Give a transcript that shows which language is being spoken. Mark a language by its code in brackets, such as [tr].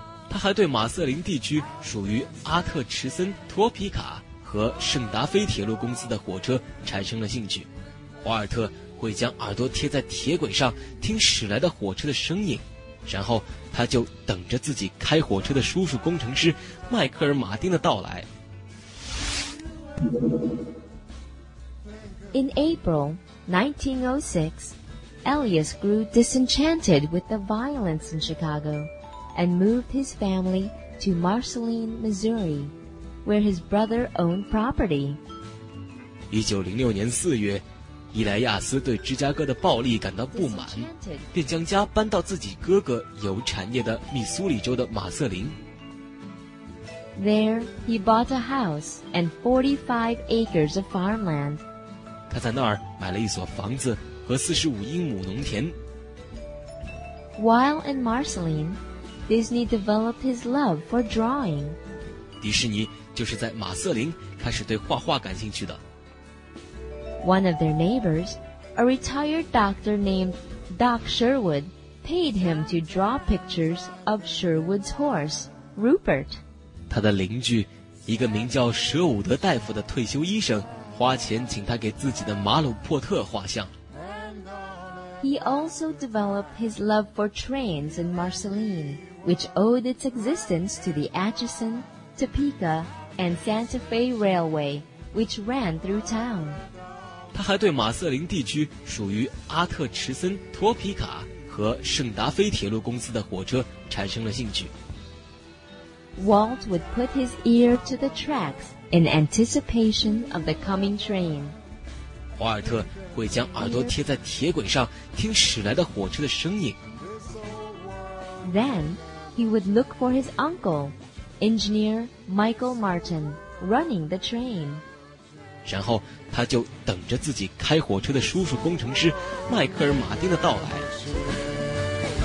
[zh] 他还对马瑟林地区属于阿特池森、托皮卡和圣达菲铁路公司的火车产生了兴趣。华尔特会将耳朵贴在铁轨上听驶来的火车的声音，然后他就等着自己开火车的叔叔工程师迈克尔马丁的到来。 [en] In April 1906, Elias grew disenchanted with the violence in Chicago and moved his family to Marceline, Missouri, where his brother owned property. [zh] 1906年4月，伊莱亚斯对芝加哥的暴力感到不满，便将家搬到自己哥哥有产业的密苏里州的马瑟林。 [en] There, he bought a house and 45 acres of farmland. [zh] 他在那儿买了一所房子和45英亩农田。 [en] While in Marceline, Disney developed his love for drawing. [zh] 迪士尼就是在马瑟林开始对画画感兴趣的。 [en] One of their neighbors, a retired doctor named Doc Sherwood, paid him to draw pictures of Sherwood's horse, Rupert. [zh] 他的邻居，一个名叫舍伍德大夫的退休医生，花钱请他给自己的马鲁珀特画像。 [en] He also developed his love for trains in Marceline, which owed its existence to the Atchison, Topeka, and Santa Fe Railway, which ran through town. [zh] 他还对马瑟林地区属于阿特池森、托皮卡和圣达菲铁路公司的火车产生了兴趣。 [en] Walt would put his ear to the tracks in anticipation of the coming train. [zh] 华尔特会将耳朵贴在铁轨上听驶来的火车的声音。 [en] Then he would look for his uncle, engineer Michael Martin, running the train. [zh] 然后他就等着自己开火车的叔叔工程师迈克尔马丁的到来。